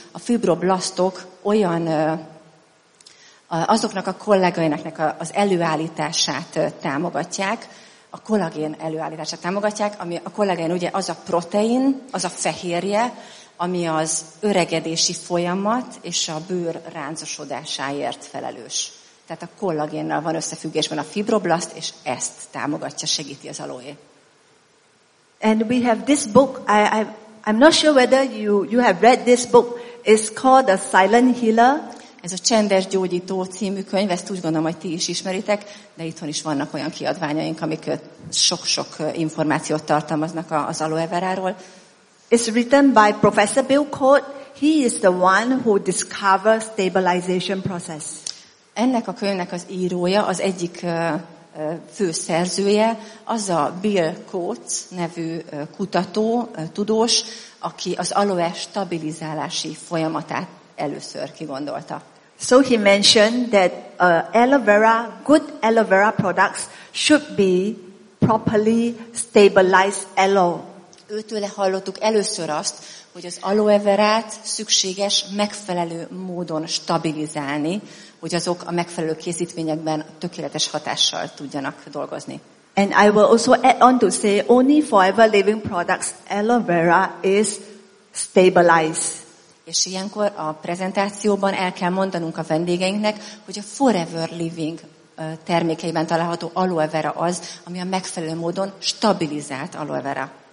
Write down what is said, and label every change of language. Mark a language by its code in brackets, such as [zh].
[hu] A fibroblasztok olyan azoknak a kollégainak az előállítását támogatják, a kollagén előállítását támogatják, ami a kollagén ugye az a protein, az a fehérje, ami az öregedési folyamat és a bőr ráncosodásáért felelős. Tehát a kollagénnal van összefüggésben a fibroblaszt, és ezt támogatja, segíti az aloé. [en] And we have this book. I'm not sure whether you have read this book. It's called The Silent Healer. [hu] Ez a Csendes Gyógyító című könyv, ezt úgy gondolom, hogy ti is ismeritek, de itthon is vannak olyan kiadványaink, amik sok-sok információt tartalmaznak az aloe veráról. [en] It's written by Professor Bill Cote. He is the one who discovered stabilization process. [hu] Ennek a könyvnek az írója, az egyik főszerzője, az a Bill Cote nevű kutató, tudós, aki az aloe stabilizálási folyamatát először kigondolta. [en] So he mentioned that aloe vera, good aloe vera products should be properly stabilized aloe. [hu] Őtőle hallottuk először azt, hogy az aloe verát szükséges megfelelő módon stabilizálni, hogy azok a megfelelő készítményekben tökéletes hatással tudjanak dolgozni. [en] And I will also add on to say, only Forever Living products aloe vera is stabilized. [hu] És ilyenkor a prezentációban el kell mondanunk a vendégeinknek, hogy a Forever Living termékeiben található aloe vera az, ami a megfelelő módon stabilizált aloe vera.